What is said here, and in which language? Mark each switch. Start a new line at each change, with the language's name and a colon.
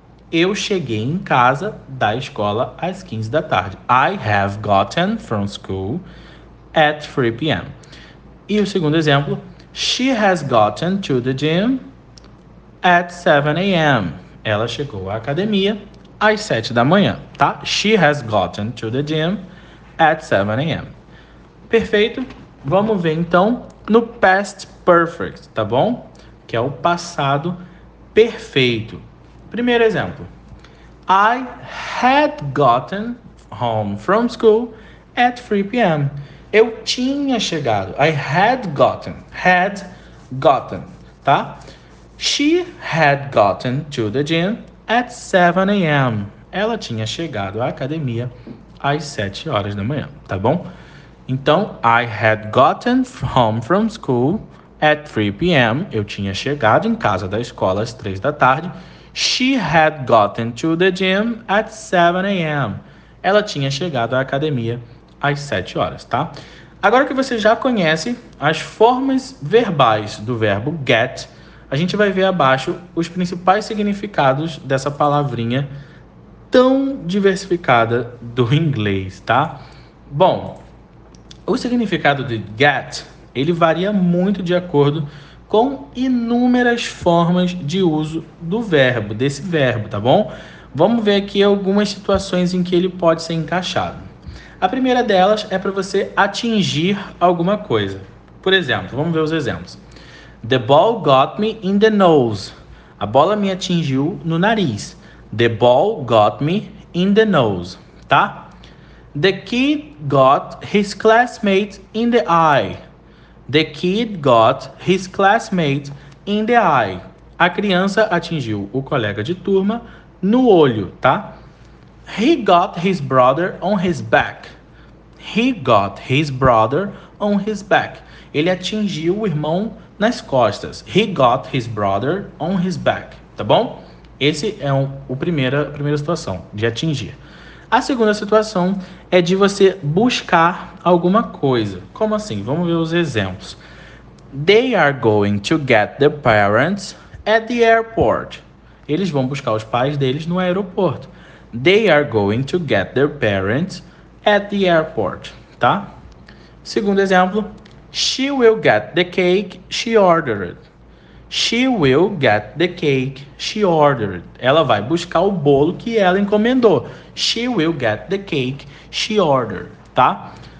Portuguese: Eu cheguei em casa da escola às 15 da tarde.
English: I have gotten from school at 3 p.m.
Portuguese: E o segundo exemplo,
English: she has gotten to the gym at 7 a.m.
Portuguese: Ela chegou à academia às 7 da manhã, tá?
English: She has gotten to the gym at 7 a.m.
Portuguese: Perfeito? Vamos ver então no past perfect, tá bom? Que é o passado perfeito. Primeiro exemplo,
English: I had gotten home from school at 3 p.m.
Portuguese: Eu tinha chegado.
English: I had gotten,
Portuguese: tá?
English: She had gotten to the gym at 7 a.m.
Portuguese: Ela tinha chegado à academia às 7 horas da manhã, tá bom? Então,
English: I had gotten home from school at 3 p.m.
Portuguese: Eu tinha chegado em casa da escola às 3 da tarde.
English: She had gotten to the gym at 7 a.m.
Portuguese: Ela tinha chegado à academia às 7 horas, tá? Agora que você já conhece as formas verbais do verbo get, a gente vai ver abaixo os principais significados dessa palavrinha tão diversificada do inglês, tá? Bom, o significado de get, ele varia muito de acordo com inúmeras formas de uso do verbo, desse verbo, tá bom? Vamos ver aqui algumas situações em que ele pode ser encaixado. A primeira delas é para você atingir alguma coisa. Por exemplo, vamos ver os exemplos.
English: The ball got me in the nose.
Portuguese: A bola me atingiu no nariz.
English: The ball got me in the nose, tá? The kid got his classmate in the eye. The kid got his classmate in the eye.
Portuguese: A criança atingiu o colega de turma no olho, tá?
English: He got his brother on his back. He got his brother on his back.
Portuguese: Ele atingiu o irmão nas costas.
English: He got his brother on his back.
Portuguese: Tá bom? Esse é a primeira situação de atingir. A segunda situação é de você buscar alguma coisa. Como assim? Vamos ver os exemplos.
English: They are going to get their parents at the airport.
Portuguese: Eles vão buscar os pais deles no aeroporto.
English: They are going to get their parents at the airport. Tá?
Portuguese: Segundo exemplo,
English: she will get the cake she ordered. She will get the cake she ordered.
Portuguese: Ela vai buscar o bolo que ela encomendou.
English: She will get the cake she ordered, tá?